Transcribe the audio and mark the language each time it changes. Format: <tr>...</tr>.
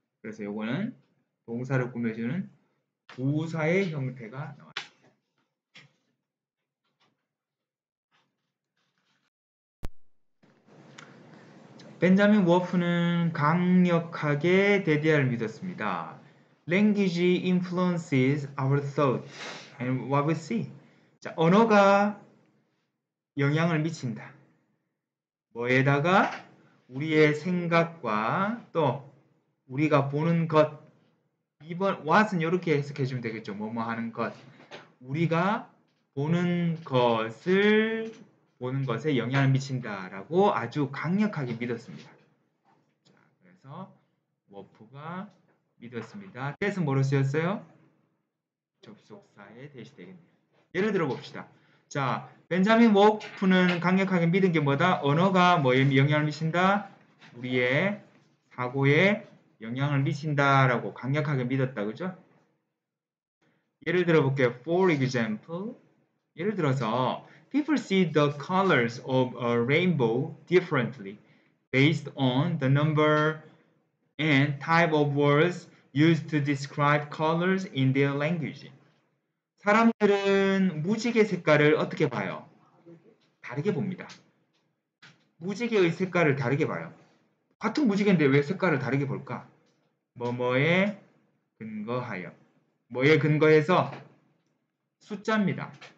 <ko>그래서 요거는 동사를 꾸며주는 부사의 형태가 나왔습니다. 벤자민 워프는 강력하게 데디아를 믿었습니다.</ko> <en>Language influences our thought and what we see.</en> <ko>자, 언어가 영향을 미친다. 뭐에다가 우리의 생각과 또 우리가 보는 것. 이번 what은 이렇게 해석해 주면 되겠죠. 뭐뭐 하는 것. 우리가 보는 것을 보는 것에 영향을 미친다라고 아주 강력하게 믿었습니다. 그래서 워프가 믿었습니다. 뜻은 뭐로 쓰였어요? 접속사에 대시되겠네요. 예를 들어 봅시다. 자, 벤자민 워프는 강력하게 믿은 게 뭐다? 언어가 뭐에 영향을 미친다? 우리의 사고에 영향을 미친다라고 강력하게 믿었다. 그죠? 예를 들어 볼게요.</ko> <en>For example,</en> <ko>예를 들어서</ko> <en>People see the colors of a rainbow differently based on the number and type of words used to describe colors in their language.</en> <ko>사람들은 무지개 색깔을 어떻게 봐요? 다르게 봅니다. 무지개의 색깔을 다르게 봐요. 같은 무지개인데 왜 색깔을 다르게 볼까? 뭐뭐에 근거하여. 뭐에 근거해서? 숫자입니다.</ko>